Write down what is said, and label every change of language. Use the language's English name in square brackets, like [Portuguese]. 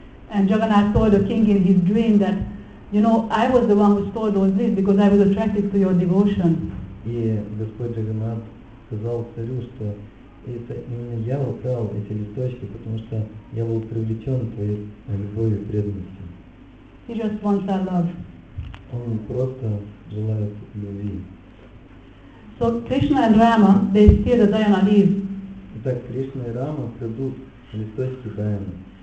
[English] And Jagannath told the king in his dream that, you know, I was the one who stole those leaves because I was attracted to your devotion. [Russian] И Господь Джаганнат сказал царю, что это именно я украл эти листочки, потому что я был привлечен твоей любовью и преданностью. [English] He just wants our love. [Russian] Он просто желает любви. [English] So Krishna and Rama, they steal the dayana leaves. [Russian] Итак, Кришна и Рама крадут листочки дайаны.